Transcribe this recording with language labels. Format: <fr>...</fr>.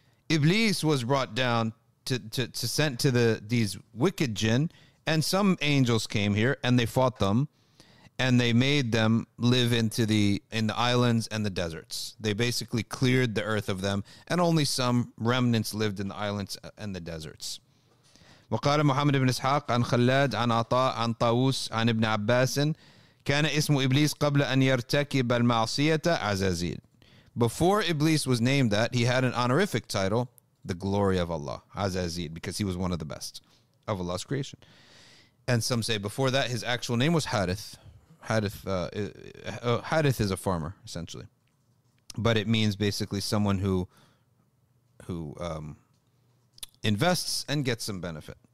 <en>Iblis was brought down to sent to these wicked jinn. And some angels came here and they fought them and they made them live in the islands and the deserts. They basically cleared the earth of them and only some remnants lived in the islands and the deserts.</en> <ar>وقال محمد بن اسحاق عن خلاد عن عطاء عن طاووس عن ابن عباس كان اسم ابليس قبل ان يرتكب المعصيه عزازيل.</ar> <en>Before Iblis was named that, he had an honorific title, the glory of Allah, Azazid, because he was one of the best of Allah's creation. And some say before that, his actual name was Harith. Harith is a farmer, essentially. But it means basically someone who invests and gets some benefit.</en>